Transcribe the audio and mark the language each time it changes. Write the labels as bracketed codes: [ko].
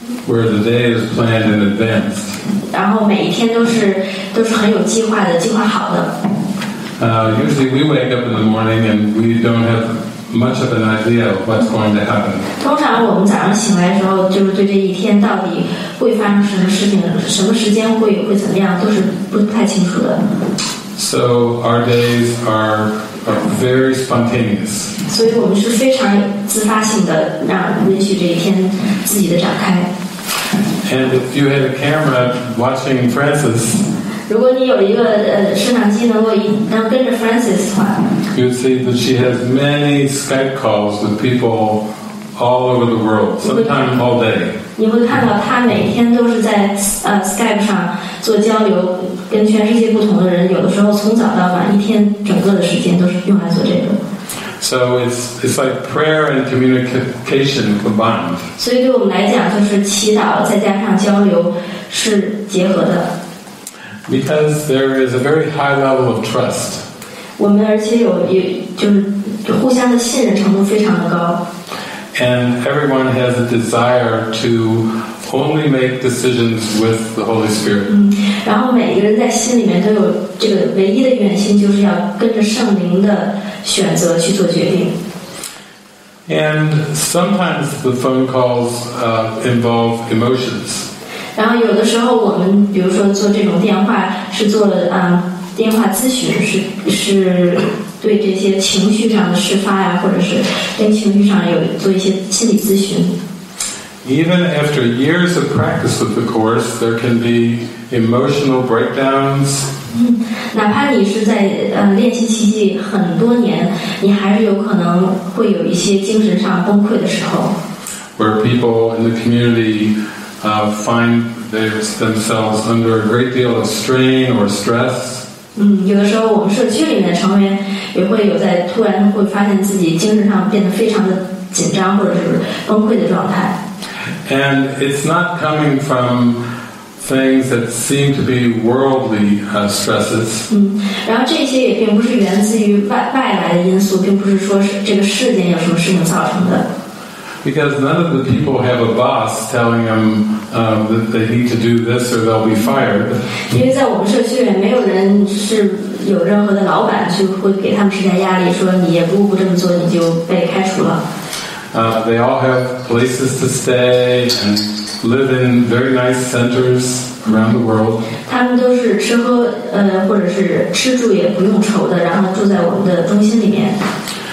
[en] Where the day is planned in advance. [zh] 然后每一天都是很有计划的，计划好的。 [en] Usually we wake up in the morning and we don't have much of an idea of what's going to happen. [zh] 通常我们早上醒来的时候，就是对这一天到底。会发生什么事情？什么时间会怎么样？都是不太清楚的。 [en] So our days are very spontaneous. [zh] 所以我们是非常自发性的，允许这一天自己的展开。 [en] And if you had a camera watching Francis, [zh] 如果你有一个摄像机能跟着 Francis 的话 [en] ，You'd see that she has many Skype calls with people all over the world, sometimes all day. [zh] 你会看到他每天都是在Skype 上做交流，跟全世界不同的人。有的时候从早到晚，一天整个的时间都是用来做这个。 [en] So it's like prayer and communication combined. [zh] 所以对我们来讲，就是祈祷再加上交流是结合的。 [en] Because there is a very high level of trust. [zh] 我们而且有就是互相的信任程度非常的高。 [en] And everyone has a desire to only make decisions with the Holy Spirit. [zh] 然后每一个人在心里面都有这个唯一的愿心，就是要跟着圣灵的选择去做决定。 [en] And sometimes the phone calls involve emotions. [zh] 然后有的时候我们比如说做这种电话是做电话咨询是。对这些情绪上的释发呀，或者是跟情绪上有做一些心理咨询。 [en] Even after years of practice with the course, there can be emotional breakdowns. [zh] 哪怕你是在练习奇迹很多年，你还是有可能会有一些精神上崩溃的时候。 [en] Where people in the community find themselves under a great deal of strain or stress. [zh] 有的时候我们社区里面的成员。也会有在突然会发现自己精神上变得非常的紧张或者是崩溃的状态。 [en] And it's not coming from things that seem to be worldly stresses. [zh] 然后这些也并不是源自于外来的因素，并不是说是这个事件有什么事情造成的。 [en] Because none of the people have a boss telling them that they need to do this or they'll be fired. They all have places to stay and live in very nice centers around the world.